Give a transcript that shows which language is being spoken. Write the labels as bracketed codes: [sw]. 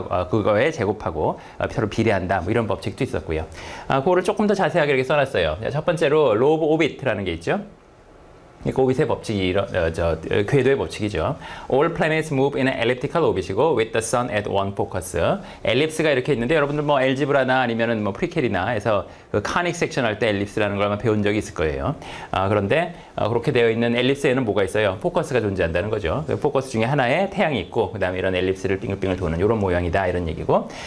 [ko] 그거의 제곱하고, 서로 비례한다. 뭐 이런 법칙도 있었고요. 그거를 조금 더 자세하게 이렇게 써놨어요. 자, 첫 번째로, law of orbit라는 게 있죠. 오빗의 법칙이 이런 궤도의 법칙이죠. [en] All planets move in an elliptical orbit이고 with the sun at one focus. [ko] 엘립스가 이렇게 있는데 여러분들 뭐 엘지브라나 아니면은 뭐 프리켈이나에서 그 카닉 섹션 할 때 엘립스라는 걸 아마 배운 적이 있을 거예요. 그런데 그렇게 되어 있는 엘립스에는 뭐가 있어요? 포커스가 존재한다는 거죠. 그 포커스 중에 하나에 태양이 있고 그다음에 이런 엘립스를 빙글빙글 도는 이런 모양이다 이런 얘기고.